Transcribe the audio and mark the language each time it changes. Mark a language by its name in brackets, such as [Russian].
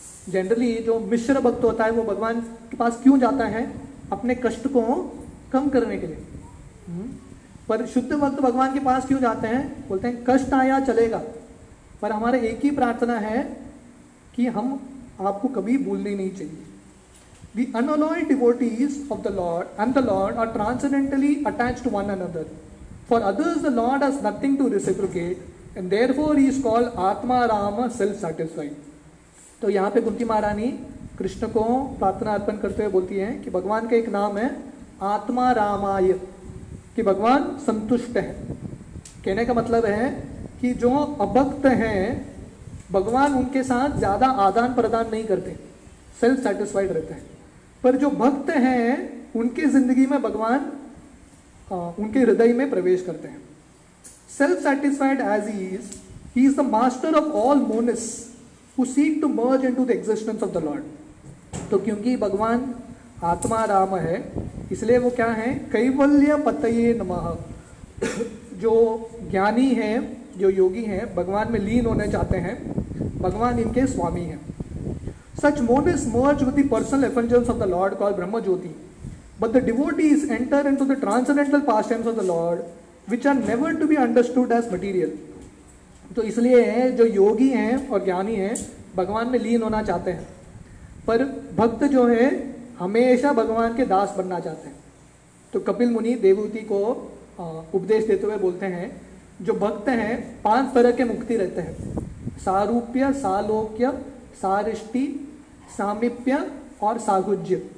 [Hindi] Generally जो मिश्र भक्त होता है वो भगवान के पास क्यों जाता है? अपने कष्ट को कम करने के लिए. पर शुद्ध भक्त भगवान के पास क्यों जाते हैं? बोलते हैं कष्ट आया चलेगा, पर हमारा एक ही प्रार्थना है कि हम आपको कभी भूलने नहीं चाहिए. [English] The unalloyed devotees of the Lord and the Lord are transcendentally attached to one another. For others, the Lord has nothing to reciprocate, and therefore he is called Atma Rama, self-satisfied. [Hindi] तो यहाँ पे कुंती महारानी कृष्ण को प्रार्थना अर्पण करते हुए बोलती हैं कि भगवान का एक नाम है आत्मा रामाय, कि भगवान संतुष्ट हैं. कहने का मतलब है कि जो अभक्त हैं भगवान उनके साथ ज़्यादा आदान प्रदान नहीं करते, सेल्फ सेटिस्फाइड रहते हैं. पर जो भक्त हैं उनके जिंदगी में भगवान उनके हृदय में प्रवेश करते हैं. [English] Self satisfied as he is the master of all munis who seek to merge into the existence of the Lord. [Hindi] तो क्योंकि भगवान आत्मा राम है इसलिए वो क्या है? कैवल्य पतये नमः. जो ज्ञानी हैं, जो योगी हैं, भगवान में लीन होने चाहते हैं, भगवान इनके स्वामी हैं. [English] Such monists merge with the personal effulgence of the Lord called Brahma Jyoti. But the devotees enter into the transcendental pastimes of the Lord, which are never to be understood as material. [Hindi] तो इसलिए जो योगी हैं और ज्ञानी हैं भगवान में लीन होना चाहते हैं, पर भक्त जो है हमेशा भगवान के दास बनना चाहते हैं. तो कपिल मुनि देवहूति को उपदेश देते हुए बोलते हैं जो भक्त हैं पांच तरह के मुक्ति रहते हैं, सारूप्य, सालोक्य, सारिष्टि, सामिप्य और साहुज्य.